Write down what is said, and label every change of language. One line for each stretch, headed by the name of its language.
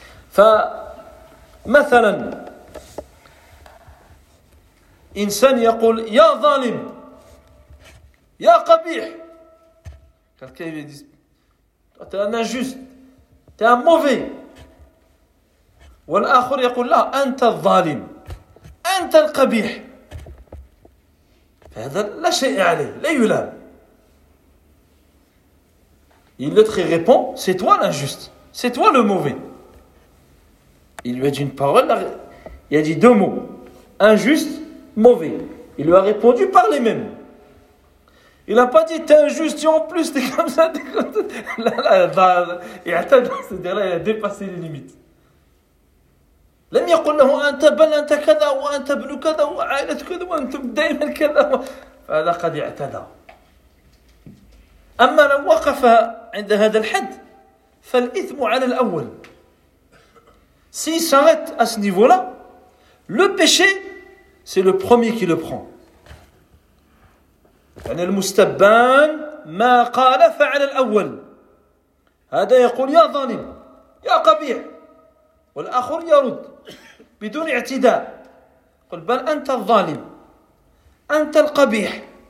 Arabic: Fa mathalan insan yaqul ya zalim ya qabih.
French: Quelqu'un lui dit, toi t'es un injuste, t'es un mauvais.
Arabic: والآخر يقول لا أنت الظالم أنت القبيح. فهذا لا شيء عليه لا يلام.
French: Il l'autre répond, c'est toi l'injuste, c'est toi le mauvais. Il lui a dit une parole, il a dit deux mots, injuste, mauvais. Il lui a répondu par les mêmes. Il n'a pas dit t'es injuste et en plus t'es comme ça. Là, il a dépassé les limites.
Arabic: لم يقل له أنت بل أنت كذا وأنت ابن كذا وعائلة كذا وأنت دائما كذا فهذا قد اعتدى. أما لو وقف عند هذا الحد فالإثم على الأول.
French: Si il s'arrête à ce niveau-là, le péché c'est le premier qui le prend.
Arabic: يعني المستبان ما قال فعل الأول. هذا يقول يا ظالم يا قبيح والآخر يرد بدون اعتداء. قل بل أنت الظالم أنت القبيح.